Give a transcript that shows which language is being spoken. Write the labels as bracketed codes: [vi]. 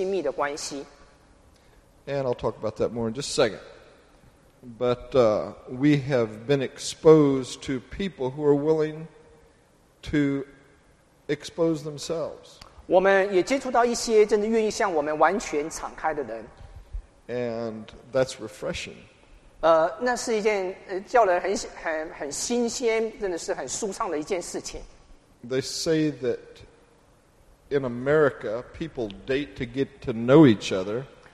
[zh] 除非我们邀请神进到我们生命的当中，不然我们没有办法与我们的配偶、与我们的朋友进入那一个亲密的关系。 [en] And I'll talk about that more in just a second. But we have been exposed to people who are willing to expose themselves. [zh] 我们也接触到一些真的愿意向我们完全敞开的人。 [en] And that's refreshing. [zh] 那是一件叫人很新鲜，真的是很舒畅的一件事情。 [en] They say that in America, people date to get to know each other.